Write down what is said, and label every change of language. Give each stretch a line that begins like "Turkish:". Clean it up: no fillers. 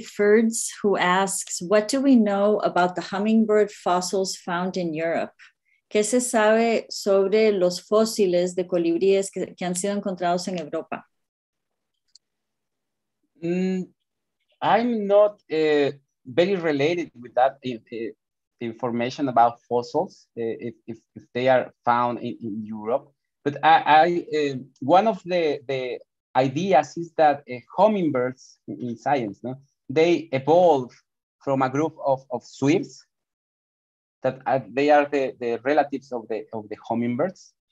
English: Ferds, who asks, what do we know about the hummingbird fossils found in Europe?
Spanish: ¿Qué se sabe sobre los fósiles de colibríes que han sido encontrados en Europa?
English: I'm not very related with that information about fossils, if they are found in Europe. But I one of the ideas is that hummingbirds in science, no, they evolved from a group of swifts, that they are the relatives of the hummingbirds.